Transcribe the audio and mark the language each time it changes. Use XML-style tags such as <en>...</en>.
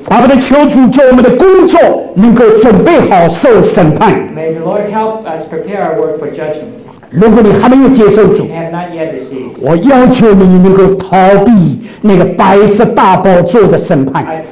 <zh>把我们的求主叫我们的工作能够准备好受审判。</zh> <en>May the Lord help us prepare our work for judgment.</en> <zh>如果你还没有接受主，我要求你能够逃避那个白色大宝座的审判。</zh>